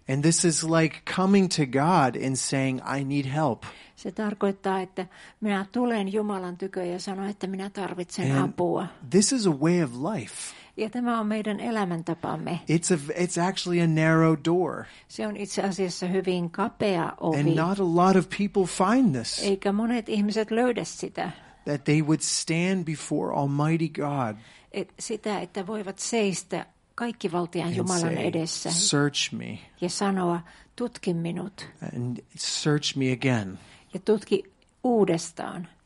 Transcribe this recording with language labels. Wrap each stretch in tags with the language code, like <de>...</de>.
<en>And this is like coming to God and saying, I need help.</en> <fi>Se tarkoittaa, että minä tulen Jumalan tykö ja sanon, että minä tarvitsen apua.</fi> <en>This is a way of life.</en> <fi>Ja tämä on meidän elämäntapamme.</fi> <en>It's actually a narrow door.</en> <fi>Se on itse asiassa hyvin kapea ovi.</fi> <en>And not a lot of people find this.</en> <fi>Eikä monet ihmiset löydä sitä.</fi> <en>That they would stand before Almighty God.</en> <fi>Sitä, että voivat seistä kaikkivaltiaan Jumalan edessä.</fi> <en>Search me.</en> <fi>Ja sanoa, tutki minut.</fi> <en>And search me again.</en> <fi>Ja tutki uudestaan.</fi>